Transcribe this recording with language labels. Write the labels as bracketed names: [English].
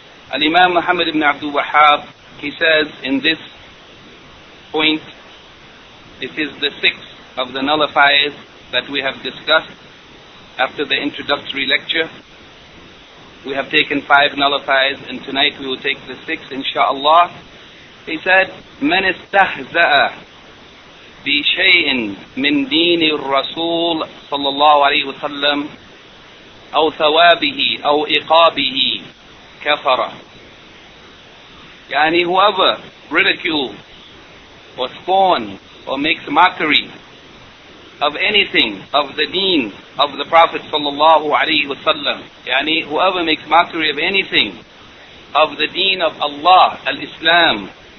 [English] Al-Imam Muhammad ibn Abdul Wahhab, he says in this point, it is the sixth of the nullifiers that we have discussed after the introductory lecture. We have taken five nullifiers, and tonight we will take the sixth, inshaAllah. He said, [Arabic] من استهزاء بشيء من دين الرسول صلى الله عليه وسلم أو ثوابه أو إقابه كفر. يعني [English] whoever ridicule or scorn or makes mockery of anything of the deen of the Prophet sallallahu alayhi wa sallam, yani whoever makes mockery of anything of the deen of Allah, al-Islam,